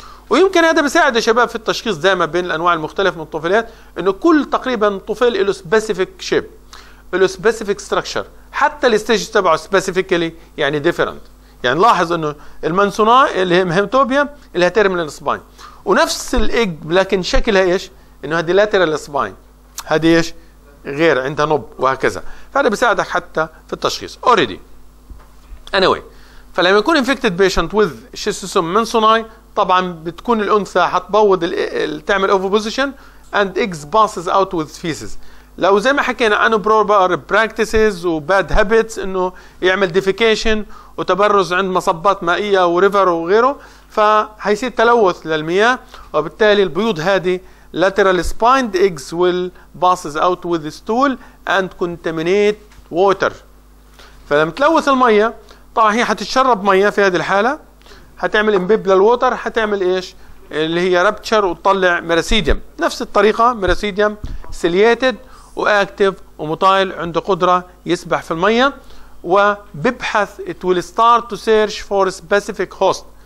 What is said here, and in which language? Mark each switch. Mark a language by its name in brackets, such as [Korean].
[Arabic] ويمكن هذا بيساعد الشباب في التشخيص دائما بين الانواع المختلفه من الطفيلات، انه كل تقريبا طفيل له سبيسيفيك شيب، له سبيسيفيك ستراكشر، حتى الستيج تبعه سبيسيفيكلي يعني ديفرنت. يعني لاحظ انه المنسونا اللي هي هيماتوبيا اللي هي تيرمينال سباين، ونفس الايج لكن شكلها ايش؟ انه هذه لاترال سباين، هذه ايش؟ غير عندها نوب، وهكذا. فهذا بيساعدك حتى في التشخيص اوريدي. [English] anyway [Arabic] فلما يكون [English] infected patient with schistosome mansoni [Arabic] طبعا بتكون الانثى حتبوض تعمل [English] ovoposition and eggs passes out with feces. [Arabic] لو زي ما حكينا عن proper practices و bad habits انه يعمل defecation وتبرز عند مصبات مائية وريفر وغيره، فهيصير تلوث للمياه، وبالتالي البيوض هذه [English] lateral spined eggs will passes out with the stool and contaminate water. [Arabic] فلما تلوث المياه طبعا هي هتتشرب مياه في هذه الحالة، هتعمل امبيب للووتر، هتعمل ايش اللي هي رابتشر وتطلع ميراسيديم. نفس الطريقة ميراسيديم سيلياتد واكتف وموتايل عنده قدرة يسبح في المياه وبيبحث [English] it will start to search for specific host.